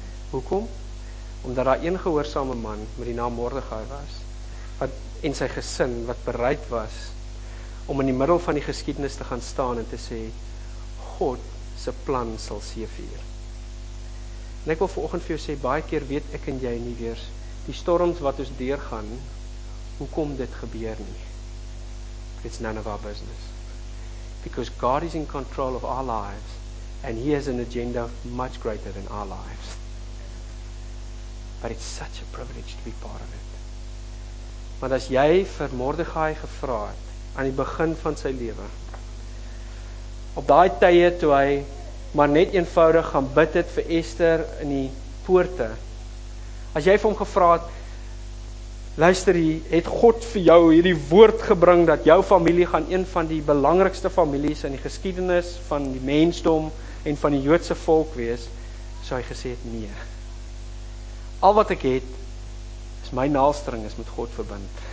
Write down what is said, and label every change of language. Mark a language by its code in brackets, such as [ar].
[af] Hoekom? Omdat daar een gehoorsame man met die naam Mordechai was, wat en sy gesin wat bereid was om in die middel van die geskiedenis te gaan staan en te sê, God se plan sal seëvier. En ek wil vanoggend vir jou sê, baie keer weet ek en jy nie weers, die storms wat ons deurgaan, hoekom dit gebeur nie. [en] It's none of our business. Because God is in control of our lives, and He has an agenda much greater than our lives. But it's such a privilege to be part of it. [af] Want as jy vir Mordechai gevra het, aan die begin van sy lewe, op daai tye toe hy maar net eenvoudig gaan bid het vir Esther in die poorte, as jy vir hom gevra het, luister, het God vir jou hierdie woord gebring dat jou familie gaan een van die belangrikste families in die geskiedenis van die mensdom en van die Joodse volk wees, so hy gesê het, nee, al wat ek het is my naalstring is met God verbind.